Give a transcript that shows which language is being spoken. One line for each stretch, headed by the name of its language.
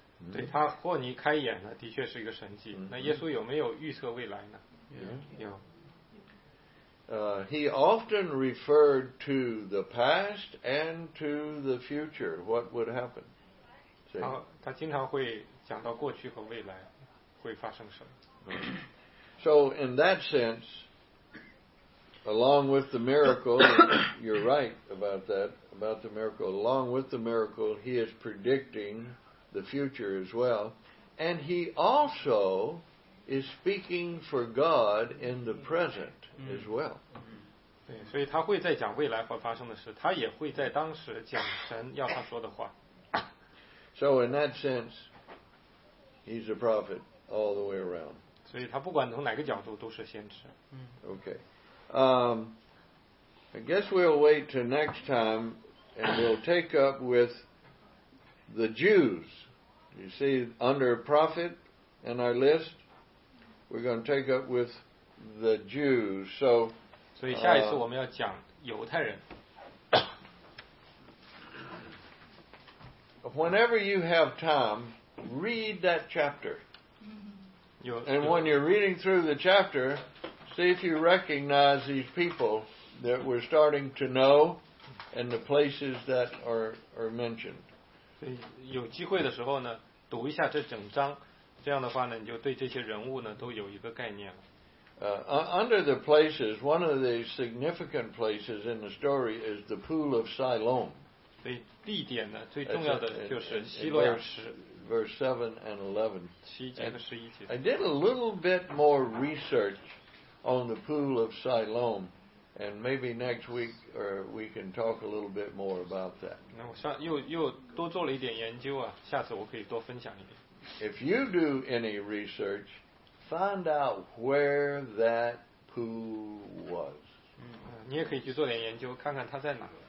Chinese: 对他霍尼开眼了，的确是一个神迹。那耶稣有没有预测未来呢？有。
English: He often referred to the past and to the future. What would happen?
Chinese: 他经常会讲到过去和未来会发生什么。
English: So in that sense, along with the miracle, you're right about that, about the miracle. Along with the miracle, he is predicting. The future as well, and he also is speaking for God in the present as well.
Chinese: 对，所以他会在讲未来会发生的事，他也会在当时讲神要他说的话。
English: So in that sense, he's a prophet all the way around.
Chinese: 所以他不管从哪个角度都是先知。
English: Okay, I guess we'll wait till next time, and we'll take up with. The Jews, you see, under prophet in our list, we're going to take up with the Jews. So,
Chinese: 所以下一次我们要讲犹太人。
English: Whenever you have time, read that chapter. And when you're reading through the chapter, see if you recognize these people that we're starting to know and the places that are mentioned.
Chinese: 有机会的时候呢，读一下这整章，这样的话呢，你就对这些人物呢都有一个概念了。
English: Under the places, one of the significant places in the story is the Pool of Siloam.
Chinese: 所以地点呢，最重要的就是希罗亚池。
English: Verse 7 and 11.
Chinese: 七节和十一节。
English: I did a little bit more research on the Pool of Siloam. And maybe next week, or we can talk a little bit more about that.
Chinese: 那我上又多做了一点研究啊，下次我可以多分享一点。
English: If you do any research, find out where that pool was.
Chinese: 你也可以去做点研究，看看它在哪。